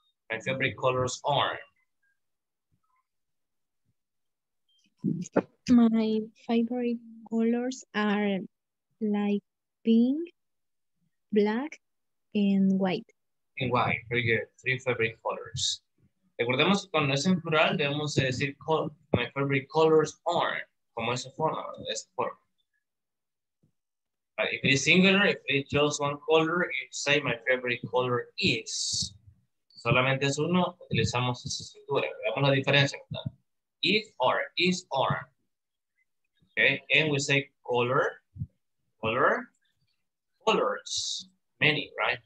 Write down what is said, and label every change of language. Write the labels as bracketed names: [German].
[English] My favorite colors are. My favorite colors are like pink, black, and white. And white, very good. Three favorite colors. [Spanish] Recordemos que cuando es en plural, debemos decir [English] my favorite colors are, [Spanish] como esa forma, esa forma. [English] But if it is singular, if it's just one color, you say my favorite color is. [Spanish] Solamente es uno, utilizamos esa estructura. Veamos la diferencia. ¿No? [English] Is or, okay? And we say colors, many, right?